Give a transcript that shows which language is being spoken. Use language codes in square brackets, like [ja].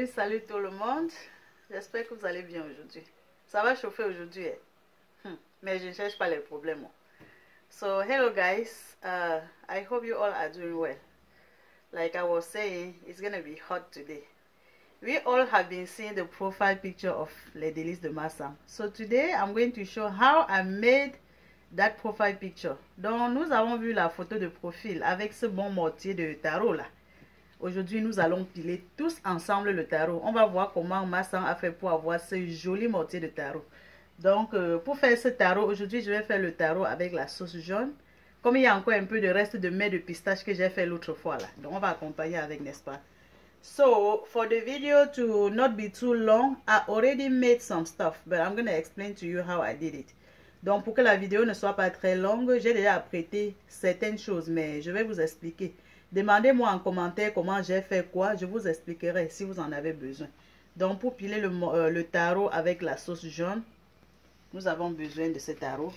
[fr] Salut tout le monde, j'espère que vous allez bien aujourd'hui. Ça va chauffer aujourd'hui, mais je ne cherche pas les problèmes. [en] So, hello guys, I hope you all are doing well. Like I was saying, it's gonna be hot today. We all have been seeing the profile picture of Les Délices de Massam. So today, I'm going to show how I made that profile picture. [fr] Donc, nous avons vu la photo de profil avec ce bon mortier de tarot là. Aujourd'hui, nous allons piler tous ensemble le tarot. On va voir comment Massam a fait pour avoir ce joli mortier de tarot. Donc, pour faire ce tarot, aujourd'hui, je vais faire le tarot avec la sauce jaune. Comme il y a encore un peu de reste de mets de pistache que j'ai fait l'autre fois là. Donc, on va accompagner avec, n'est-ce pas? [en] So, for the video to not be too long, I already made some stuff, but I'm going to explain to you how I did it. [fr] Donc, pour que la vidéo ne soit pas très longue, j'ai déjà apprêté certaines choses, mais je vais vous expliquer. Demandez-moi en commentaire comment j'ai fait quoi, je vous expliquerai si vous en avez besoin. Donc, pour piler le tarot avec la sauce jaune, nous avons besoin de ce tarot.